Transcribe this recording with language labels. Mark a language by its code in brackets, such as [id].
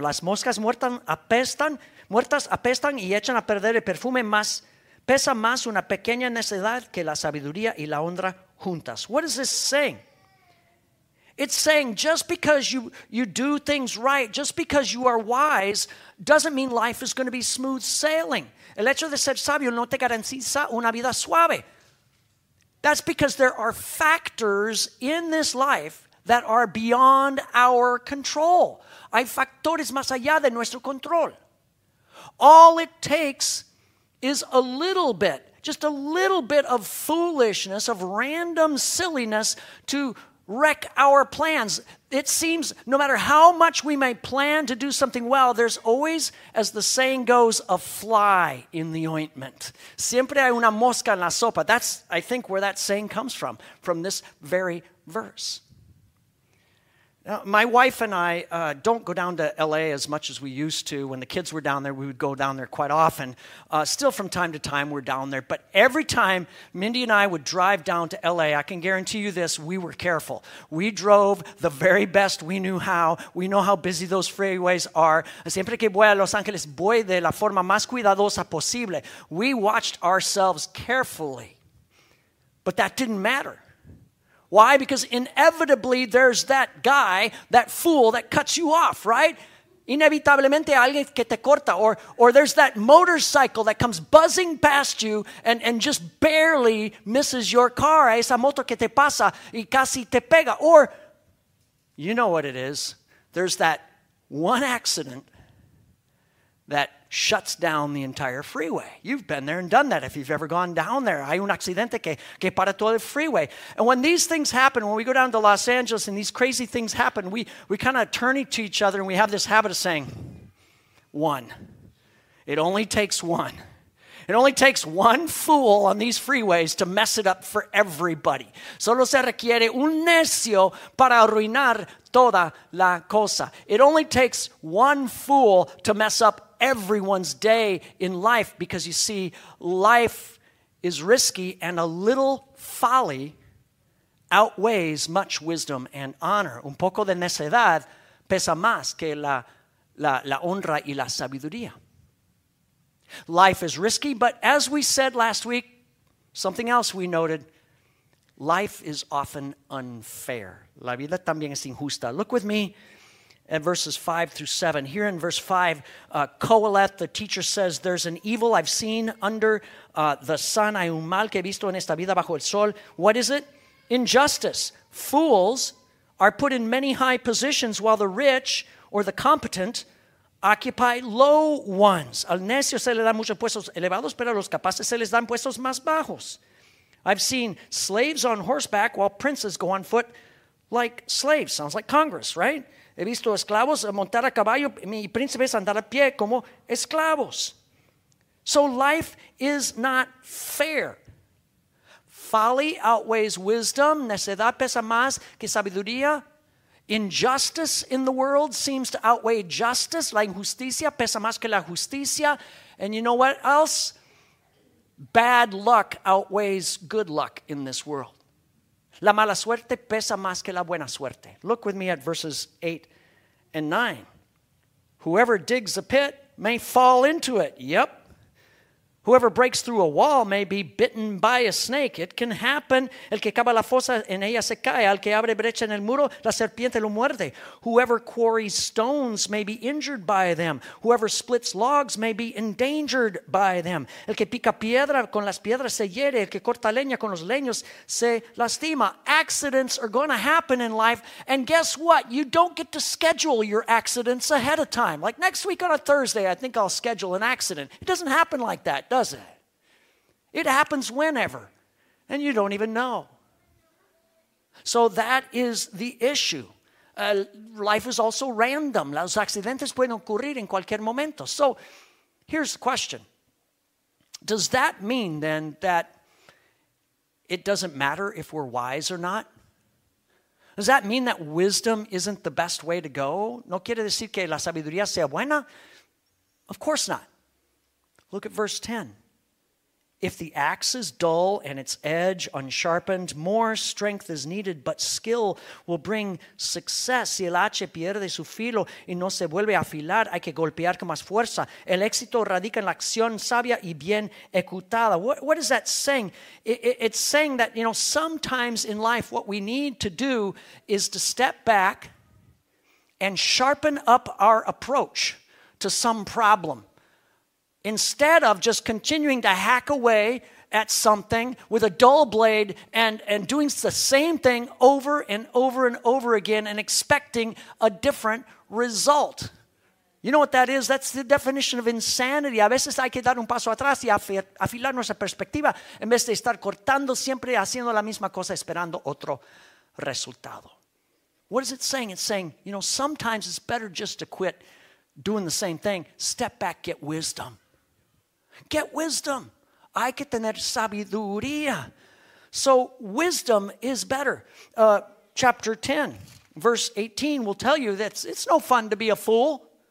[es] Las moscas muertas apestan y echan a perder el perfume más. Pesa más una pequeña necedad que la sabiduría y la honra juntas. [en] What is this saying? It's saying just because you do things right, just because you are wise, doesn't mean life is going to be smooth sailing. [es] El hecho de ser sabio no te garantiza una vida suave. [en] That's because there are factors in this life that are beyond our control. [es] Hay factores más allá de nuestro control. [en] All it takes is a little bit, just a little bit of foolishness, of random silliness to wreck our plans. It seems no matter how much we may plan to do something well, there's always, as the saying goes, a fly in the ointment. [es] Siempre hay una mosca en la sopa. [en] That's, I think, where that saying comes from this very verse. Now, my wife and I don't go down to L.A. as much as we used to. When the kids were down there, we would go down there quite often. Still from time to time, we're down there. But every time Mindy and I would drive down to L.A., I can guarantee you this, we were careful. We drove the very best we knew how. We know how busy those freeways are. [es] Siempre que voy a Los Ángeles, voy de la forma más cuidadosa posible. [en] We watched ourselves carefully. But that didn't matter. Why? Because inevitably there's that guy, that fool that cuts you off, right? [es] Inevitablemente alguien que te corta. [en] Or there's that motorcycle that comes buzzing past you and just barely misses your car. [es] Esa moto que te pasa y casi te pega. [en] Or, you know what it is, there's that one accident that shuts down the entire freeway. You've been there and done that if you've ever gone down there. [es] Hay un accidente que para todo el freeway. [en] And when these things happen, when we go down to Los Angeles and these crazy things happen, we kind of turn to each other and we have this habit of saying, one. It only takes one. It only takes one fool on these freeways to mess it up for everybody. [es] Solo se requiere un necio para arruinar toda la cosa. [en] It only takes one fool to mess up everyone's day in life, because you see, life is risky and a little folly outweighs much wisdom and honor. [es] Un poco de necedad pesa más que la honra y la sabiduría. [en] Life is risky, but as we said last week, something else we noted, life is often unfair. [es] La vida también es injusta. [en] Look with me at verses 5 through 7. Here in verse 5, Coeleth, the teacher, says, there's an evil I've seen under the sun. [es] Hay un mal que he visto en esta vida bajo el sol. [en] What is it? Injustice. Fools are put in many high positions while the rich or the competent occupy low ones. [es] Al necio se le dan muchos puestos elevados, pero a los capaces se les dan puestos más bajos. [en] I've seen slaves on horseback while princes go on foot like slaves. Sounds like Congress, right? [es] He visto esclavos montar a caballo y príncipes andar a pie como esclavos. [en] So life is not fair. Folly outweighs wisdom. [es] Necedad pesa más que sabiduría. [en] Injustice in the world seems to outweigh justice. [es] La injusticia pesa más que la justicia. [en] And you know what else? Bad luck outweighs good luck in this world. [es] La mala suerte pesa más que la buena suerte. [en] Look with me at verses 8 and 9. Whoever digs a pit may fall into it. Yep. Whoever breaks through a wall may be bitten by a snake. It can happen. [es] El que cava la fosa en ella se cae. Al que abre brecha en el muro, la serpiente lo muerde. [en] Whoever quarries stones may be injured by them. Whoever splits logs may be endangered by them. [es] El que pica piedra con las piedras se hiere. El que corta leña con los leños se lastima. [en] Accidents are going to happen in life. And guess what? You don't get to schedule your accidents ahead of time. Like next week on a Thursday, I think I'll schedule an accident. It doesn't happen like that. Does it? It happens whenever, and you don't even know. So that is the issue. Life is also random. [es] Los accidentes pueden ocurrir en cualquier momento. [en] So here's the question. Does that mean then that it doesn't matter if we're wise or not? Does that mean that wisdom isn't the best way to go? [es] ¿No quiere decir que la sabiduría sea buena? [en] Of course not. Look at verse 10. If the axe is dull and its edge unsharpened, more strength is needed, but skill will bring success. [es] Si el hacha pierde su filo y no se vuelve a afilar, hay que golpear con más fuerza. El éxito radica en la acción sabia y bien ejecutada. [en] What is that saying? It's saying that, you know, sometimes in life what we need to do is to step back and sharpen up our approach to some problem. Instead of just continuing to hack away at something with a dull blade and doing the same thing over and over and over again and expecting a different result. You know what that is? That's the definition of insanity. [es] A veces hay que dar un paso atrás y afilar nuestra perspectiva en vez de estar cortando siempre haciendo la misma cosa esperando otro resultado. [en] What is it saying? It's saying, you know, sometimes it's better just to quit doing the same thing. Step back, get wisdom. Get wisdom. [es] Hay que tener sabiduría. [en] So wisdom is better. Chapter 10, verse 18 will tell you that it's no fun to be a fool.